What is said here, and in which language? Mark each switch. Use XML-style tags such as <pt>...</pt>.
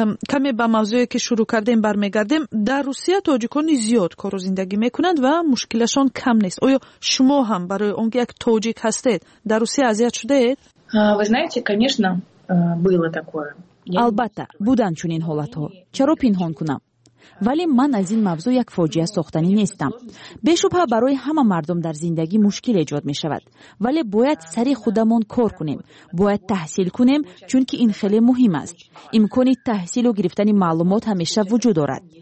<tg>Каме ба мавзӯе ки шурӯъ кардем бармегардем, дар Русия тоҷикони зиёд кору зиндагӣ мекунанд ва мушкилашон кам нест. Оё шумо ҳам барои он ки як тоҷик ҳастед, дар Русия азият шудаед?</tg> <ru>Ви знаете, конечно, было такое.</ru> <tg>Албатта, будан чунин ҳолатҳо. Чаро пинҳон кунам? Вале ман аз ин мавзӯ як фоҷиа сохтанӣ нестам. Бешубҳа барои ҳама мардум дар зиндагӣ мушкил эҷод мешавад. Вале бояд сари худамон кор кунем. Бояд таҳсил кунем, чунки ин хеле муҳим аст. Имкони таҳсилу гирифтани маълумот ҳамеша вуҷуд дорад.</tg>